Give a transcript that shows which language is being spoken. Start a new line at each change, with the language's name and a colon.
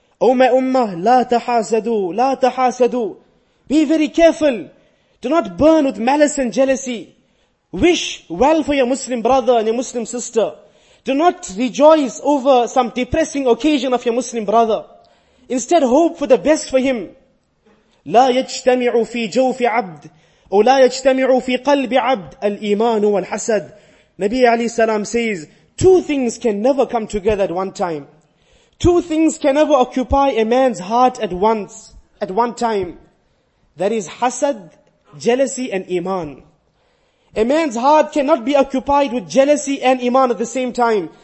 English: O my ummah,
Arabic: la tahasadu, la tahasadu.
English: Be very careful. Do not burn with malice and jealousy. Wish well for your Muslim brother and your Muslim sister. Do not rejoice over some depressing occasion of your Muslim brother. Instead, hope for the best for him.
Arabic: لا يجتمع في جوف عبد أو لا يجتمع في قلب عبد الإيمان والحسد.
English: Nabi Ali Salam says, two things can never come together at one time. Two things can never occupy a man's heart at once, at one time. That is hasad, jealousy and iman. A man's heart cannot be occupied with jealousy and iman at the same time.